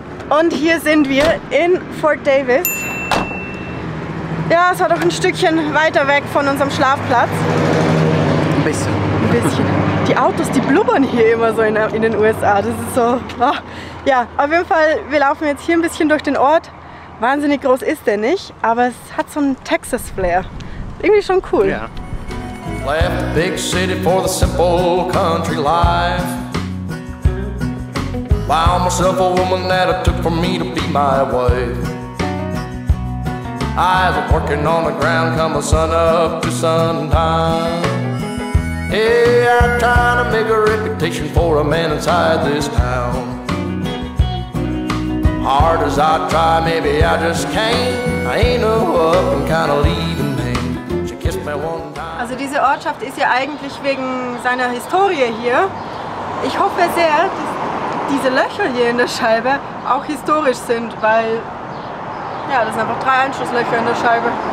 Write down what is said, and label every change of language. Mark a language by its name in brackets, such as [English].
[German] Und hier sind wir in Fort Davis. Ja, es war doch ein Stückchen weiter weg von unserem Schlafplatz. Ein bisschen. Ein bisschen. Die Autos, die blubbern hier immer so in den USA. Das ist so... Ja, auf jeden Fall, wir laufen jetzt hier ein bisschen durch den Ort. Wahnsinnig groß ist der nicht, aber es hat so einen Texas-Flair. Irgendwie schon cool. Ja. [English] Left big city for the simple country life. Found myself a woman that it took for me to be my wife. I was working on the ground, come the sun up to sundown. Hey, I'm trying to make a reputation for a man inside this town. Hard as I try, maybe I just can't. I ain't no up and kind of leaving me. She kissed me one time. [German] Also diese Ortschaft ist ja eigentlich wegen seiner Historie hier. Ich hoffe sehr, dass diese Löcher hier in der Scheibe auch historisch sind, weil ja, das sind einfach drei Einschusslöcher in der Scheibe.